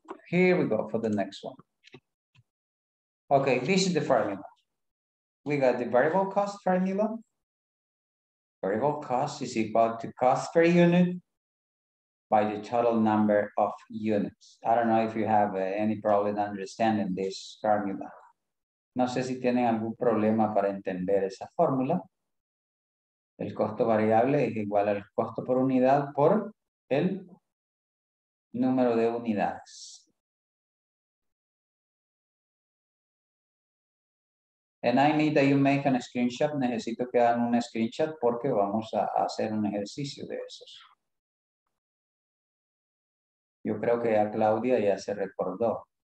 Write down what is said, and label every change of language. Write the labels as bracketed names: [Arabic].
[English] Here we go for the next one. Okay, this is the formula. We got the variable cost formula. Variable cost is equal to cost per unit by the total number of units. I don't know if you have any problem understanding this formula. [Spanish] No sé si tienen algún problema para entender esa fórmula. El costo variable es igual al costo por unidad por el número de unidades. [English] And I need that you make an screenshot. [Spanish] Necesito que hagan un screenshot porque vamos a hacer un ejercicio de esos. Yo creo que a Claudia ya se recordó.